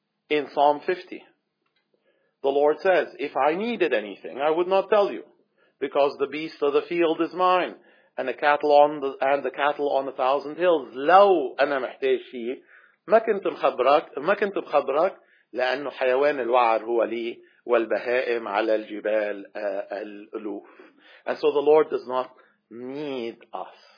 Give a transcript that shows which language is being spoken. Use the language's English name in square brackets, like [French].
[English] In Psalm 50, the Lord says, if I needed anything, I would not tell you, because the beast of the field is mine, and the cattle on a thousand hills. [Arabic] لو أنا محتاج شيء ما كنت مخبرك لأنه حيوان الوعر هو لي والبهائم على الجبال الألوف. [English] And so the Lord does not need us.